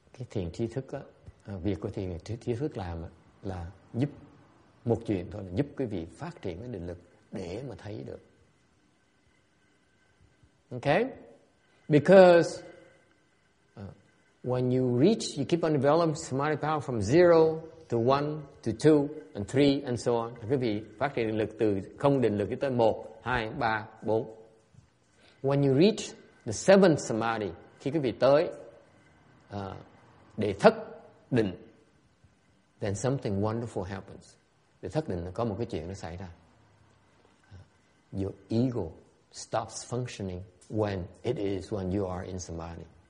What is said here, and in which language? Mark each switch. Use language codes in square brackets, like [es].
[vi] thiền trí thức á, việc của thiền trí thức làm là giúp một chuyện thôi, là giúp quý vị phát triển cái định lực để mà thấy được. [en] Okay, because when you reach, you keep on developing samadhi power from 0 to 1 to 2 and 3 and so on. [vi] Quý vị phát triển định lực từ không định lực tới 1, 2, 3, 4. [en] When you reach the 7th samadhi, [vi] khi quý vị tới để thất định, [en] then something wonderful happens. [vi] Để thất định có một cái chuyện nó xảy ra. [en] Your ego stops functioning when it is when you are in samadhi.